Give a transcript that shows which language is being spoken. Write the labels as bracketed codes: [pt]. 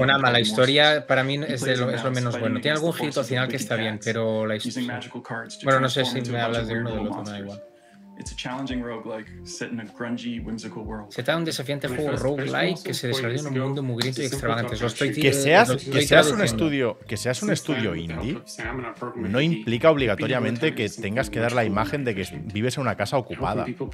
[es] Una mala historia, para mí es lo menos bueno. Tiene algún hit al final que está bien, pero la historia... Bueno, no sé si me hablas de uno o del otro, me da igual. [en] It's a challenging roguelike set in a grungy, whimsical world. [es] Se trata de un desafiante juego roguelike que se desarrolla en un mundo mugriento y extravagante. Que seas un estudio indie no implica obligatoriamente que tengas que dar la imagen de que vives en una casa ocupada.